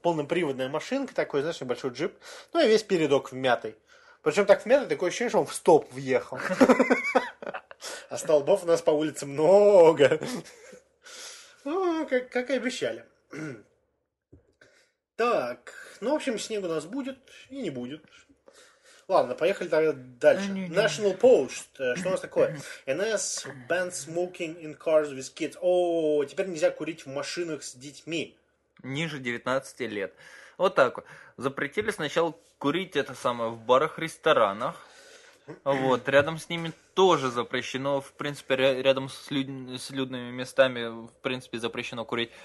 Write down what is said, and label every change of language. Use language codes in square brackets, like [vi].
[ru] Полноприводная машинка такой, знаешь, небольшой джип. Ну и весь передок вмятый. Причем так вмятый, такое ощущение, что он в стоп въехал. А столбов у нас по улице много. Ну, как и обещали. Так, ну, в общем, снег у нас будет и не будет. Ладно, поехали тогда дальше. National Post. Что у нас такое? [en] NS banned smoking in cars with kids. [ru] О, теперь нельзя курить в машинах с детьми. Ниже 19 лет. Вот так вот. Запретили сначала курить это самое в барах, ресторанах. Вот, рядом с ними тоже запрещено, в принципе, рядом с людными местами, в принципе, запрещено курить.